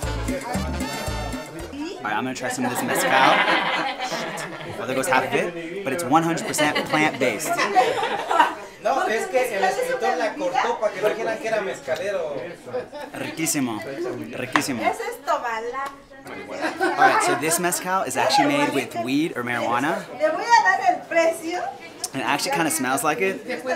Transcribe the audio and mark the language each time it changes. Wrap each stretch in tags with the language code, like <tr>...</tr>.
<en>Alright, I'm gonna try some of this mezcal. Well, there goes half of it, but it's 100% plant-based.</en> <es>No, es que el escritor la cortó para que no dijeran que era mezcalero. Riquísimo, riquísimo. Eso es tomala.</es> <en>Alright, so this mezcal is actually made with weed or marijuana.</en> <es>Le voy a dar el precio.</es> <en>It actually kind of smells like it.</en>